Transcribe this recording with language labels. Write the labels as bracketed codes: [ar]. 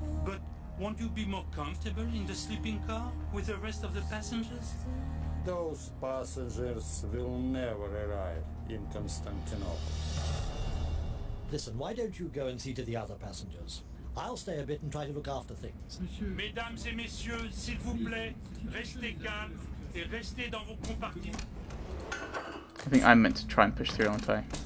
[en] But won't you be more comfortable in the sleeping car with the rest of the passengers? Those passengers will never arrive in Constantinople. Listen, why don't you go and see to the other passengers? I'll stay a bit and try to look after things. [fr] Mesdames et messieurs, s'il vous plaît, restez calmes et restez dans vos compartiments. [en] I think I'm meant to try and push through, aren't I?